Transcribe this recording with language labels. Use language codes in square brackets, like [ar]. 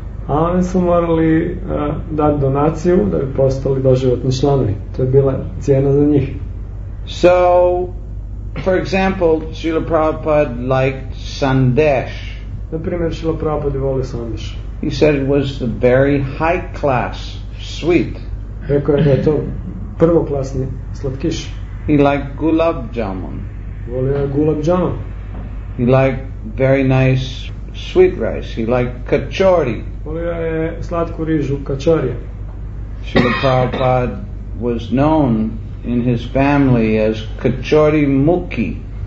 [hr] A oni su morali dati donaciju da bi postali doživotni članovi. To je bila cijena za njih. [en] So, for example, Srila Prabhupada liked sandesh. [hr] Na primjer, Srila Prabhupada voli sandesh. [en] He said it was the very high class sweet. [hr] Rekao je da je to prvoklasni slatkiš. [en] He liked gulab jamun. [hr] Volio je gulab jamun. [en] He liked very nice sweet rice. He liked kachori. [hr] Volio je slatku rižu, kachori. [en] Srila Prabhupada was known in his family as kachori muki.